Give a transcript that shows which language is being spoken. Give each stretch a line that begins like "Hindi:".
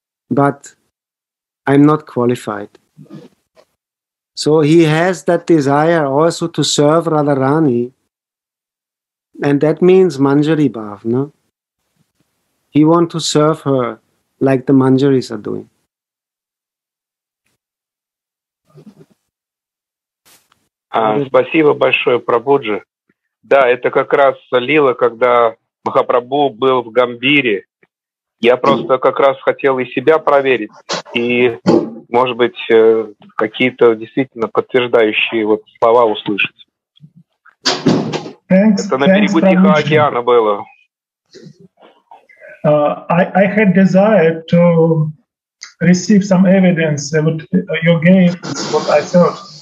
English: But I'm not qualified. So he has that desire also to serve Radharani. And that means Manjari Bhav, no? He wants to serve her like the Manjaris are doing.
Russian: Спасибо большое, Прабуджи. Да, это как раз лила, когда Махапрабху был в Гамбире. Я просто как раз хотел и себя проверить, и, может быть, какие-то действительно подтверждающие вот слова услышать.
English: Thanks,
Russian: это на берегу Тихого океана было.
English: I had desire to receive some evidence about your game, what I thought.